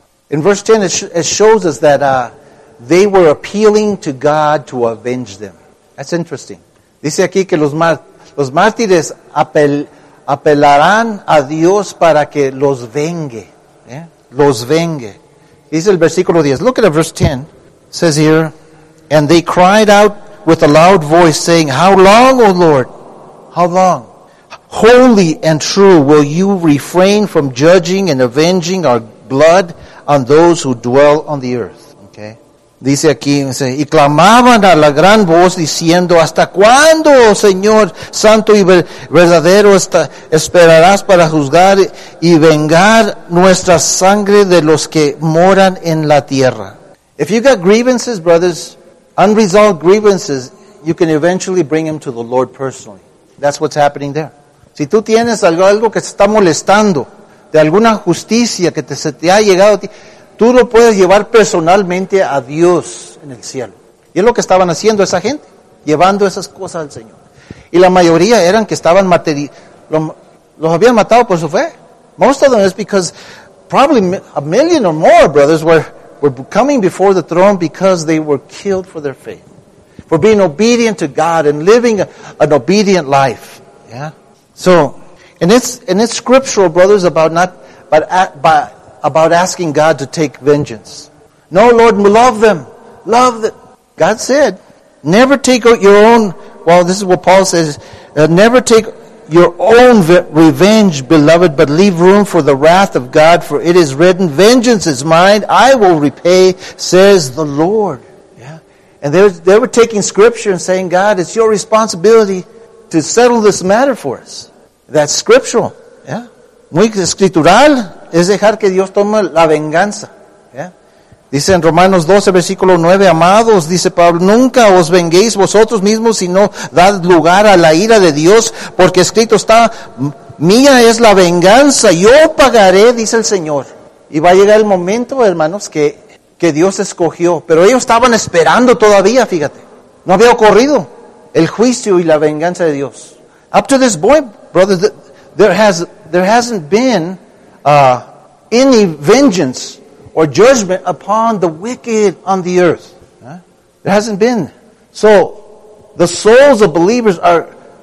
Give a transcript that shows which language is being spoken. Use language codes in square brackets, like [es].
[en] In verse 10, it shows us that they were appealing to God to avenge them. That's interesting. [es] Dice aquí que los mártires apelarán a Dios para que los vengue. [en] Yeah? [es] Los vengue. Dice el versículo 10. [en] Look at verse 10. It says here, and they cried out with a loud voice, saying, how long, O Lord? How long? Holy and true, will you refrain from judging and avenging our blood on those who dwell on the earth. Okay. [es] Dice aquí, dice, y clamaban a la gran voz diciendo, ¿hasta cuándo, Señor Santo y verdadero, esperarás para juzgar y vengar nuestra sangre de los que moran en la tierra? [en] If you got grievances, brothers, unresolved grievances, you can eventually bring them to the Lord personally. That's what's happening there. [es] Si tú tienes algo que se está molestando, de alguna justicia que se te ha llegado a ti, tú lo puedes llevar personalmente a Dios en el cielo. Y es lo que estaban haciendo esa gente, llevando esas cosas al Señor. Y la mayoría eran que estaban los habían matado por su fe. [en] Most of them is because probably a million or more brothers were coming before the throne because they were killed for their faith, for being obedient to God and living an obedient life. Yeah. So, and it's scriptural, brothers, about asking God to take vengeance. No, Lord, love them. God said, never take your own. Well, this is what Paul says: never take your own revenge, beloved, but leave room for the wrath of God, for it is written, vengeance is mine, I will repay, says the Lord. Yeah. And they were taking scripture and saying, God, it's your responsibility to settle this matter for us. That's scriptural. Yeah. [es] Muy escritural es dejar que Dios tome la venganza. Dice en Romanos 12, versículo 9, amados, dice Pablo, nunca os venguéis vosotros mismos, sino dad lugar a la ira de Dios, porque escrito está, mía es la venganza, yo pagaré, dice el Señor. Y va a llegar el momento, hermanos, que Dios escogió. Pero ellos estaban esperando todavía, fíjate. No había ocurrido el juicio y la venganza de Dios. [en] Up to this point, brothers, there hasn't been any vengeance or judgment upon the wicked on the earth. There hasn't been. So, the souls of believers are.